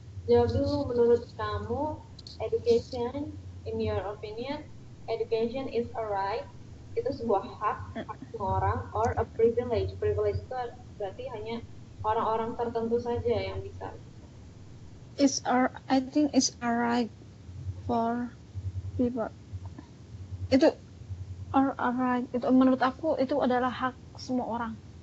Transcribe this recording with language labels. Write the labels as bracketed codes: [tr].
[id] Jawab dulu, menurut kamu [en] education, in your opinion, education is a right, [id] itu sebuah hak semua orang, [en] or a privilege. [id] Privilege itu berarti hanya orang-orang tertentu saja yang bisa. [en] It's a, I think it's a right for people. [id] Itu [en] or a right, [id] itu menurut aku itu adalah hak semua orang.